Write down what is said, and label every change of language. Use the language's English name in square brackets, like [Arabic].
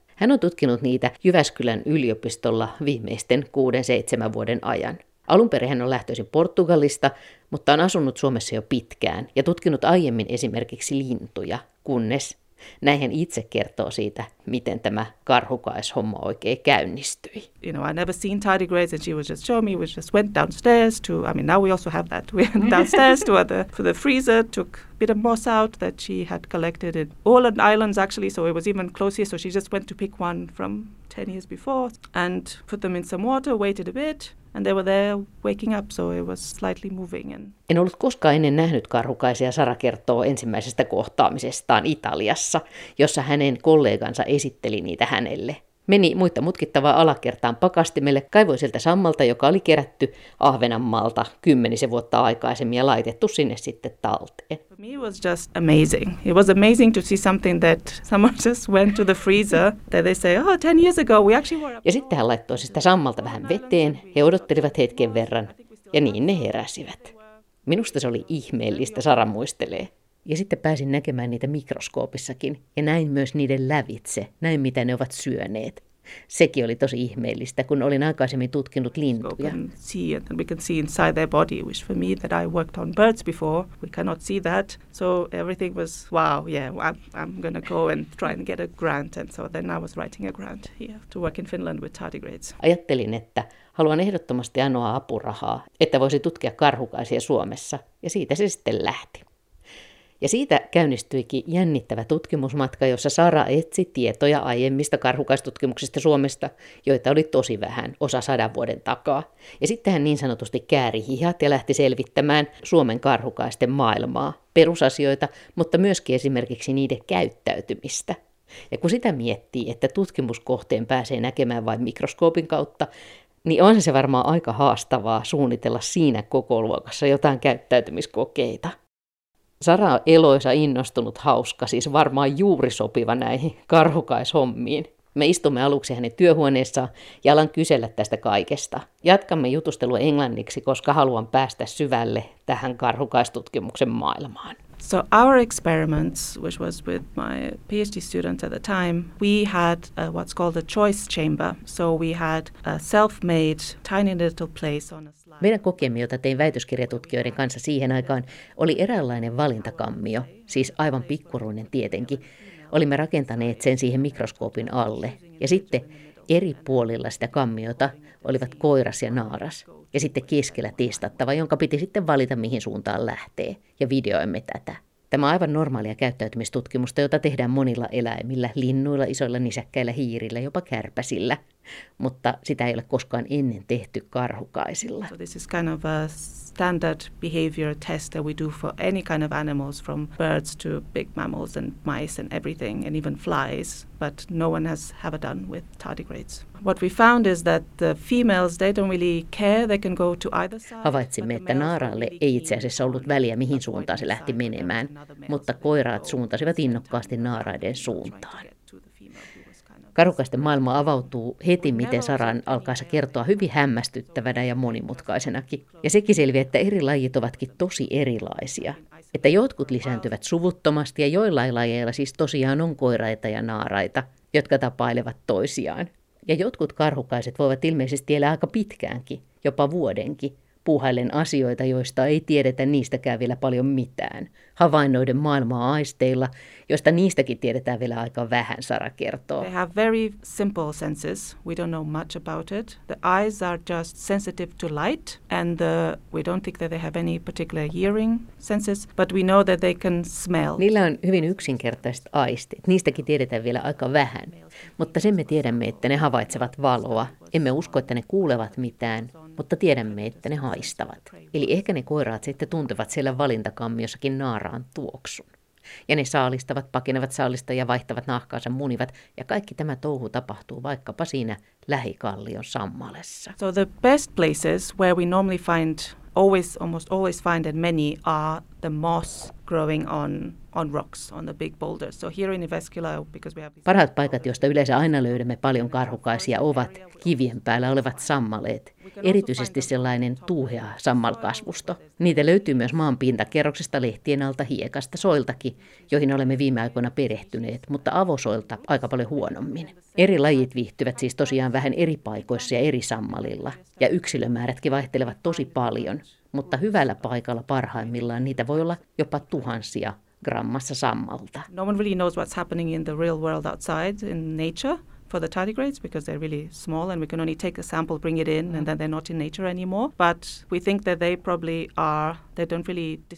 [Finnish] Hän on tutkinut niitä Jyväskylän yliopistolla viimeisten 6-7 vuoden ajan. Alun perin hän on lähtöisin Portugalista, mutta on asunut Suomessa jo pitkään ja tutkinut aiemmin esimerkiksi lintuja, kunnes näin hän itse kertoo siitä, miten tämä karhukaishomma oikein käynnistyi. [English] You know, I never seen tardigrades and she was just showing me, we just went downstairs to, I mean now we also have that, we went downstairs to for the freezer, took a bit of moss out that she had collected in all the islands actually, so it was even closer, so she just went to pick one from 10 years before and put them in some water, waited a bit. And they were there waking up, so it was slightly moving. [Finnish] En ollut koskaan ennen nähnyt karhukaisia, Sara kertoo ensimmäisestä kohtaamisestaan Italiassa, jossa hänen kollegansa esitteli niitä hänelle. Meni muita mutkittavaa alakertaan pakastimelle, kaivoi sieltä sammalta, joka oli kerätty Ahvenanmaalta 10 vuotta aikaisemmin ja laitettu sinne sitten talteen. [English] For me it was just amazing. It was amazing to see something that someone just went to the freezer that they say, oh, 10 years ago we actually were. [Finnish] Ja sitten hän laittoi sitä sammalta vähän veteen, he odottelivat hetken verran ja niin ne heräsivät. Minusta se oli ihmeellistä, Sara muistelee. Ja sitten pääsin näkemään niitä mikroskoopissakin ja näin myös niiden lävitse, näin mitä ne ovat syöneet. Sekin oli tosi ihmeellistä, kun olin aikaisemmin tutkinut lintuja. [English] We can see inside their body, which for me that I worked on birds before, we cannot see that. So everything was wow, yeah, I'm going to go and try and get a grant. And so then I was writing a grant here to work in Finland with tardigrades. [Finnish] Ajattelin, että haluan ehdottomasti anoa apurahaa, että voisi tutkia karhukaisia Suomessa. Ja siitä se sitten lähti. Ja siitä käynnistyikin jännittävä tutkimusmatka, jossa Sara etsi tietoja aiemmista karhukaistutkimuksista Suomesta, joita oli tosi vähän, osa 100 vuoden takaa. Ja sitten hän niin sanotusti kääri hihat ja lähti selvittämään Suomen karhukaisten maailmaa, perusasioita, mutta myöskin esimerkiksi niiden käyttäytymistä. Ja kun sitä miettii, että tutkimuskohteen pääsee näkemään vain mikroskoopin kautta, niin on se varmaan aika haastavaa suunnitella siinä kokoluokassa jotain käyttäytymiskokeita. Sara on eloisa, innostunut, hauska, siis varmaan juuri sopiva näihin karhukaishommiin. Me istumme aluksi hänen työhuoneessaan ja alan kysellä tästä kaikesta. Jatkamme jutustelua englanniksi, koska haluan päästä syvälle tähän karhukaistutkimuksen maailmaan. [English] So our experiments, which was with my PhD student at the time, we had what's called a choice chamber. So we had a self-made tiny little place on a slide. [Finnish] Meidän kokeemme, jota tein väitöskirjatutkijoiden kanssa siihen aikaan, oli eräänlainen valintakammio, siis aivan pikkuruinen tietenkin. Olimme rakentaneet sen siihen mikroskoopin alle. Ja sitten eri puolilla sitä kammiota olivat koiras ja naaras. Ja sitten keskellä testattava, jonka piti sitten valita, mihin suuntaan lähtee. Ja videoimme tätä. Tämä on aivan normaalia käyttäytymistutkimusta, jota tehdään monilla eläimillä, linnuilla, isoilla nisäkkäillä, hiirillä, jopa kärpäsillä. Mutta sitä ei ole koskaan ennen tehty karhukaisilla. [English] So this is kind of a standard behavior test that we do for any kind of animals, from birds to big mammals and mice and everything, and even flies. But no one has ever done with tardigrades. What we found is that the females, they don't really care, they can go to either side. [Finnish] Havaitsimme, että naaraalle ei itse asiassa ollut väliä, mihin suuntaan se lähti menemään, mutta koiraat suuntasivat innokkaasti naaraiden suuntaan. Karhukaisten maailma avautuu heti, miten Saran alkaessa kertoa hyvin hämmästyttävänä ja monimutkaisenakin. Ja sekin selviää, että eri lajit ovatkin tosi erilaisia. Että jotkut lisääntyvät suvuttomasti ja joillain lajeilla siis tosiaan on koiraita ja naaraita, jotka tapailevat toisiaan. Ja jotkut karhukaiset voivat ilmeisesti elää aika pitkäänkin, jopa vuodenkin, puuhaillen asioita, joista ei tiedetä niistäkään vielä paljon mitään. Havainnoiden maailmaa aisteilla, joista niistäkin tiedetään vielä aika vähän, Sara kertoo. [English] They have very simple senses. We don't know much about it. The eyes are just sensitive to light and we don't think that they have any particular hearing senses, but we know that they can smell. [Finnish] Niillä on hyvin yksinkertaiset aistit. Niistäkin tiedetään vielä aika vähän. Mutta sen me tiedämme, että ne havaitsevat valoa. Emme usko, että ne kuulevat mitään, mutta tiedämme, että ne haistavat. Eli ehkä ne koiraat sitten tuntevat siellä valintakammiossakin naaraan tuoksun. Ja ne saalistavat, pakenevat saalista ja vaihtavat nahkaansa, munivat. Ja kaikki tämä touhu tapahtuu vaikkapa siinä lähikallion sammalessa. [English] So the best places where we normally find, always, almost always find and many are the moss growing on rocks, on the big boulders. So here in Ivescula, because we have... [Finnish] Parhaat paikat, joista yleensä aina löydämme paljon karhukaisia, ovat kivien päällä olevat sammaleet. Erityisesti sellainen tuuhea sammalkasvusto. Niitä löytyy myös maan pintakerroksesta, lehtien alta, hiekasta, soiltakin, joihin olemme viime aikoina perehtyneet, mutta avosoilta aika paljon huonommin. Eri lajit viihtyvät siis tosiaan vähän eri paikoissa ja eri sammalilla, ja yksilömäärätkin vaihtelevat tosi paljon. Mutta hyvällä paikalla parhaimmillaan niitä voi olla jopa tuhansia grammassa sammalta. [English] No one really knows what's happening in the real world outside in nature for the tardigrades because they're really small and we can only take a sample, bring it in and then they're not in nature anymore. But we think that they probably are, they don't really...